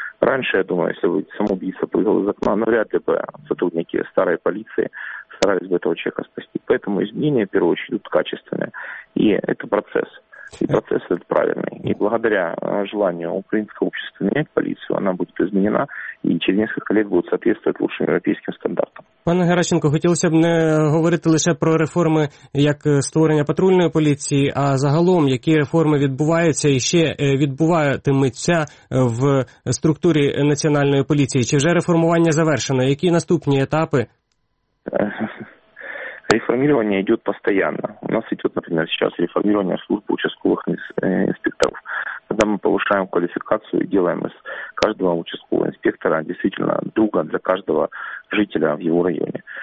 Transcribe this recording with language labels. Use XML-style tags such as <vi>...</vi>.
<ru>Раньше, я думаю, если бы самоубийца прыгал из окна, навряд ли бы сотрудники старой полиции старались бы этого человека спасти. Поэтому изменения, в первую очередь, идут качественные. И это процесс. И процесс этот правильный. И благодаря желанию украинского общества менять полицию, она будет изменена и через несколько лет будет соответствовать лучшим европейским стандартам.</ru> <uk>Пане Геращенко, хотілося б не говорити лише про реформи як створення патрульної поліції, а загалом, які реформи відбуваються і ще відбуватимуться в структурі національної поліції. Чи вже реформування завершено? Які наступні етапи?</uk> <ru>Реформирование идет постоянно. У нас идет, например, сейчас реформирование службы участковых инспекторов. Когда мы повышаем квалификацию и делаем из каждого участкового инспектора действительно друга для каждого жителя в его районе.</ru>